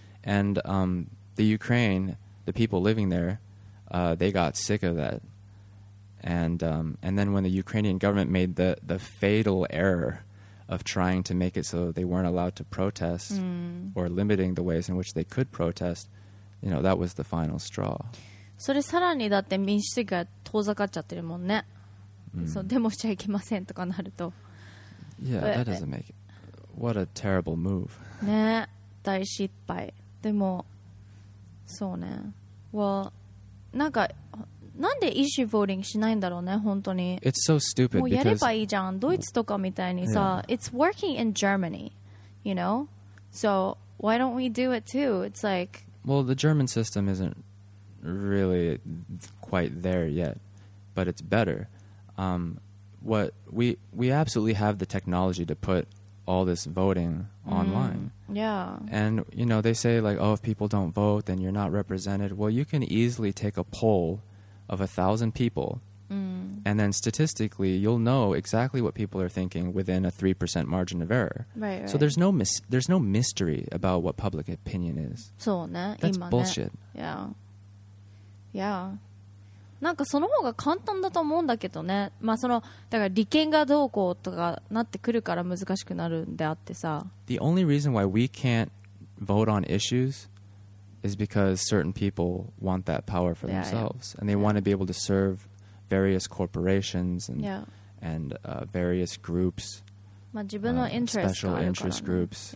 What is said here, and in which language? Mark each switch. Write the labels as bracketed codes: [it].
[en] And the Ukraine, the people living there, they got sick of that. And then when the Ukrainian government made the fatal error of trying to make it so they weren't allowed to protest or limiting the ways in which they could protest, you know, that was the final straw. [ja] それさらにだって民主主義が遠ざかっちゃってるもんね。そう、デモしちゃいけませんとかなると。 [en] Yeah, that doesn't make it. What a terrible move. [ja] ね、大失敗。でも、そうね。 [en] Well, [ja] なんか、なんで [en] issue voting [ja] しないんだろうね、本当に。 [en] It's so stupid. [ja] もうやればいいじゃん。ドイツとかみたいにさ、 [en] It's working in Germany, you know? So, why don't we do it too? It's like... Well, the German system isn't really quite there yet, but it's better. What we absolutely have the technology to put all this voting online. Yeah. And, you know, they say like, oh, if people don't vote, then you're not represented. Well, you can easily take a poll of 1,000 people and then statistically you'll know exactly what people are thinking within a 3% margin of error. Right. So there's no mystery about what public opinion is. [ja] そうね。 [en] That's bullshit. Yeah. Yeah. [ja] なんかその方が簡単だと思うんだけどね。まあそのだから利権がどうこうとかなってくるから難しくなるんであってさ。 [en] The only reason why we can't vote on issues is because certain people want that power for themselves, and they want to be able to serve various corporations and various groups. [ja] まあ自分の interest があるから、ね、 [en] special interest groups.